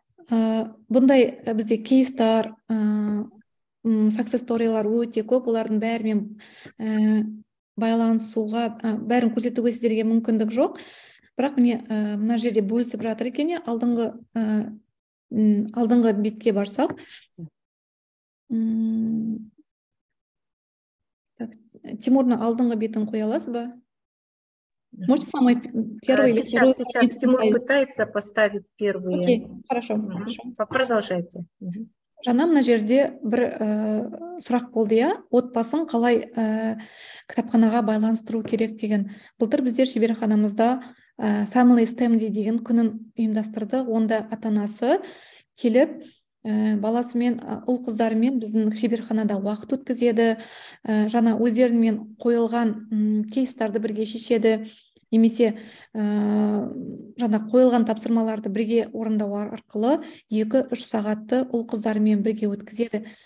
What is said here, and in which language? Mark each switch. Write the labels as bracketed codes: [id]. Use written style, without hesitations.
[kk] Бұндай бізде кейстар, success story-лар өте көп, олардың бәрімен байланысуға, бәрін көрсетуге сіздерге мүмкіндік жоқ. Бірақ міне, мына жерде бөлісіп жатыр екен, алдыңғы бетке барсақ. Тимурна, алдыңғы бетін қоя аласыз ба? [ru] Можете самый первый? Сейчас Тимур пытается поставить первые. Окей, хорошо. Хорошо. Продолжайте. [kk] Жаңа мына жерде бір сұрақ болды, иә, отбасын қалай кітапханаға байланыстыру керек деген. Былтыр біздер шеберханамызда Family STEM Day деген күнін ұйымдастырды. Онда ата-анасы келіп, баласымен, ұл-қыздарымен біздің шеберханада уақыт өткізеді, жаңа өздерімен қойылған кейстарды бірге шешеді, немесе жаңа қойылған тапсырмаларды бірге орындау арқылы 2-3 сағатты ұл-қыздарымен бірге өткізеді.